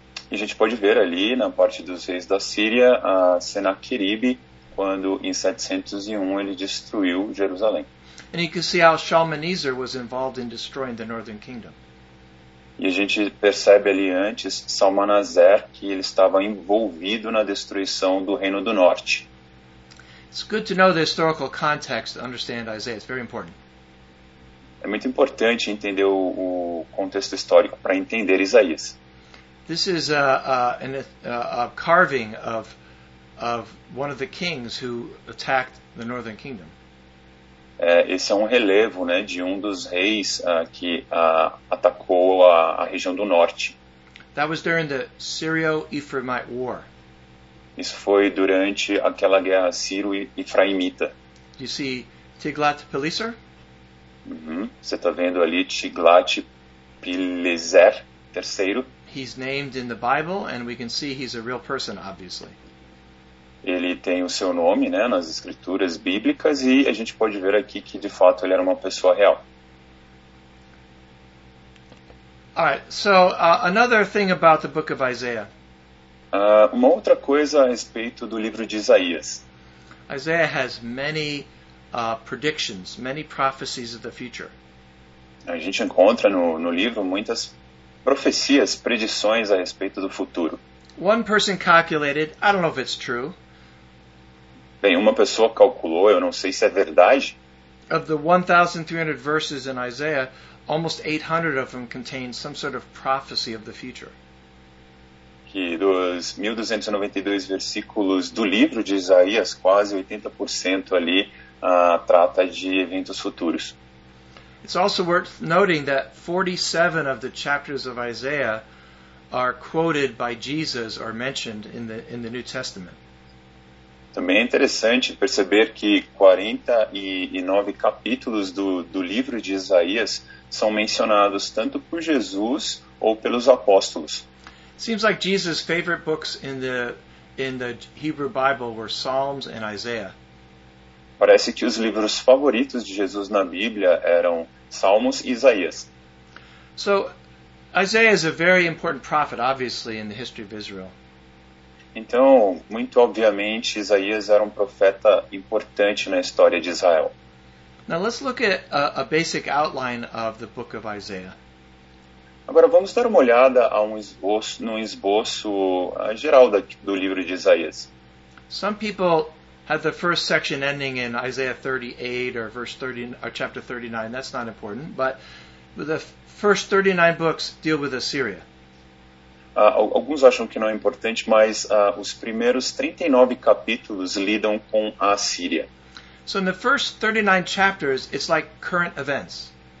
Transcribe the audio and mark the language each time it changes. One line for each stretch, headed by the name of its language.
Portuguese: E a gente pode ver ali, na parte dos reis da Síria, a Senaquerib, quando em 701 ele destruiu Jerusalém.
English: And you can see how Shalmaneser was involved in destroying the northern kingdom.
Portuguese: E a gente percebe ali antes, Salmanazar, que ele estava envolvido na destruição do Reino do Norte.
English: It's good to know the historical context to understand Isaiah. It's very important.
Portuguese: É muito importante entender o contexto histórico para entender Isaías.
English: This is a carving of one of the kings who attacked the northern kingdom.
Portuguese: Esse é um relevo, né, de um dos reis que atacou a região do norte.
English: That was during the Syro-Ephraimite War.
Portuguese: Isso foi durante aquela guerra Syro-Ephraimita.
English: You see Tiglath-Pileser?
Portuguese: Você está vendo ali Tiglath-Pileser III.
English: He's named in the Bible, and we can see he's a real person, obviously.
Portuguese: Ele tem o seu nome, né, nas escrituras bíblicas, e a gente pode ver aqui que, de fato, ele era uma pessoa real.
English: All right, so another thing about the book of Isaiah.
Portuguese: Uma outra coisa a respeito do livro de Isaías.
English: Isaiah has many predictions, many prophecies of the future.
Portuguese: A gente encontra no livro muitas profecias, predições a respeito do futuro.
English: One person calculated, I don't know if it's true.
Portuguese: Bem, uma pessoa calculou, eu não sei se é verdade.
English: Of the 1,300 verses in Isaiah, almost 800 of them contain some sort of prophecy of the future.
Portuguese: Que dos 1,292 versículos do livro de Isaías, quase 80% ali trata de eventos futuros.
English: It's also worth noting that 47 of the chapters of Isaiah are quoted by Jesus or mentioned in the New Testament.
Portuguese: Também é interessante perceber que 49 capítulos do livro de Isaías são mencionados tanto por Jesus ou pelos apóstolos.
English: Seems like Jesus' favorite books in the Hebrew Bible were Psalms and Isaiah.
Portuguese: Parece que os livros favoritos de Jesus na Bíblia eram Salmos e Isaías.
English: So, Isaiah is a very important prophet, obviously, in the history of Israel.
Portuguese: Então, muito obviamente, Isaías era um profeta importante na história de Israel.
English: Now, let's look at a basic outline of the book of Isaiah.
Portuguese: Agora vamos dar uma olhada a um esboço, num esboço geral do livro de Isaías.
English: Some people have the first section ending in Isaiah 38 or verse 30 or chapter 39. That's not important, but the first 39 books deal with Assyria.
Portuguese: Alguns acham que não é importante, mas os primeiros 39 capítulos lidam com a Assíria.
English: So in the first 39 chapters, it's like current events.